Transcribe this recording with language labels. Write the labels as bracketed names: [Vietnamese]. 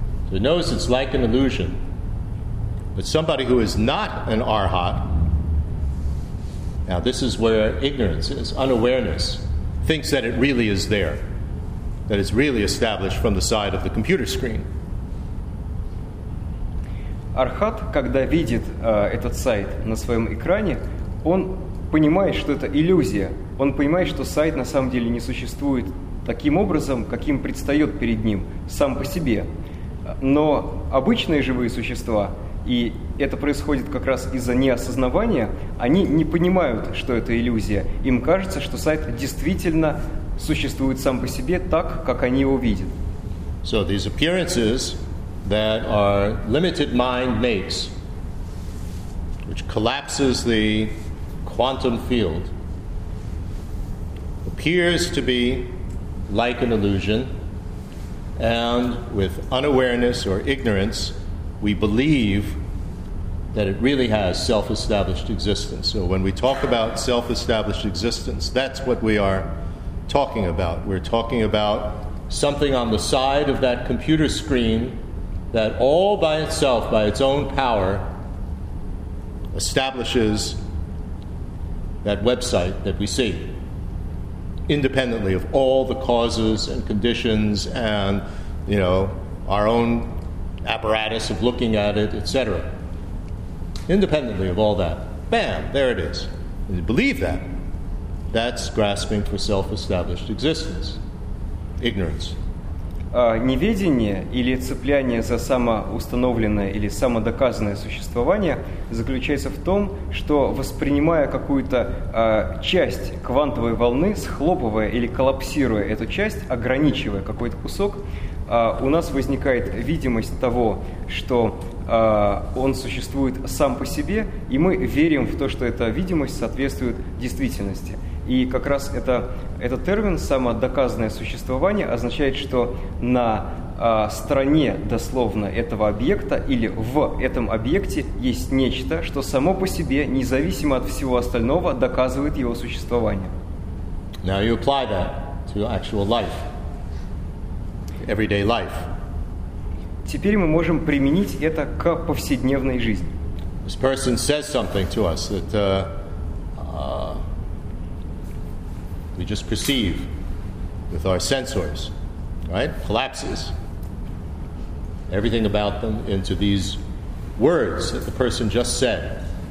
[English] So it knows it's like an illusion. But somebody who is not an arhat, now this is where ignorance is, unawareness, thinks that it really is there, that it's really established from the side of the computer screen. [Russian] Архат, когда видит этот сайт на своем экране, он понимает, что это иллюзия. Он понимает, что сайт на самом деле не существует таким образом, каким предстает перед ним, сам по себе. Но обычные живые существа, и это происходит как раз из-за неосознавания, они не понимают, что это иллюзия. Им кажется, что сайт действительно существует сам по себе так, как они его видят. [English] So these appearances that our limited mind makes, which collapses the quantum field, appears to be like an illusion, and with unawareness or ignorance, we believe that it really has self-established existence. So when we talk about self-established existence, that's what we are talking about. We're talking about something on the side of that computer screen that all by itself, by its own power, establishes that website that we see, independently of all the causes and conditions and, you know, our own apparatus of looking at it, etc. Independently of all that, bam, there it is. And you believe that, that's grasping for self-established existence, ignorance. [Russian] Неведение или цепляние за самоустановленное или самодоказанное существование заключается в том, что, воспринимая какую-то часть квантовой волны, схлопывая или коллапсируя эту часть, ограничивая какой-то кусок, у нас возникает видимость того, что он существует сам по себе, и мы верим в то, что эта видимость соответствует действительности. И как раз этот термин «самодоказанное существование» означает, что на стороне дословно этого объекта или в этом объекте есть нечто, что само по себе, независимо от всего остального, доказывает его существование. [English] Now you apply that to actual life, everyday life. [Russian] Теперь мы можем применить это к повседневной жизни. [English] This person says something to us that we just perceive with our sensors, right? Collapses everything about them into these words that the person just said.